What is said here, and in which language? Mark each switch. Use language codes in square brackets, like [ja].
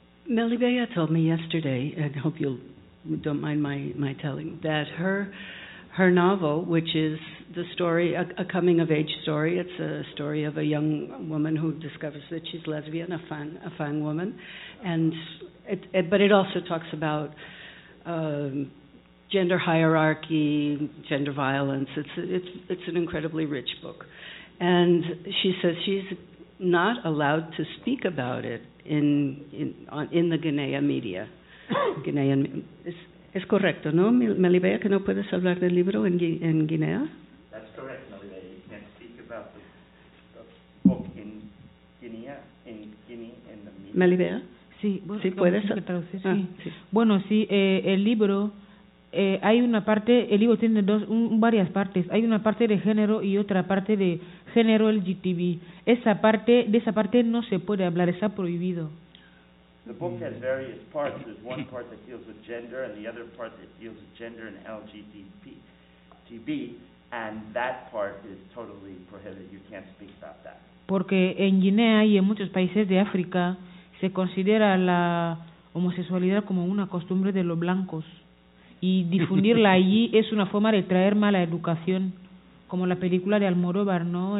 [en] Melibea told me yesterday, and I hope you don't mind my telling, that her novel, which is the story, a coming-of-age story, it's a story of a young woman who discovers that she's lesbian, a fan woman, and but it also talks about gender hierarchy, gender violence. It's an incredibly rich book, and she says she's not allowed to speak about it in the Guinea media. [es] Guinean, es correcto, no? Melibea, que no puedes hablar del libro en Guinea. [en] That's correct, Melibea. You can't speak about the book in Guinea in the media. Melibea. [es] Sí, bueno, sí, puedes traducir. Sí. Sí. Bueno, sí, el libro, hay una parte, el libro tiene varias partes. Hay una parte de género y otra parte de género LGTB. De esa parte no se puede hablar, está prohibido. [en] The book has various parts. There's one part that deals with gender and the other part that deals with gender and LGTB, and that part is totally prohibited. You can't speak about that. [es] Porque en Guinea y en muchos países de África se considera la homosexualidad como una costumbre de los blancos, y difundirla allí es una forma de traer mala educación, como la película de Almodóvar, ¿no?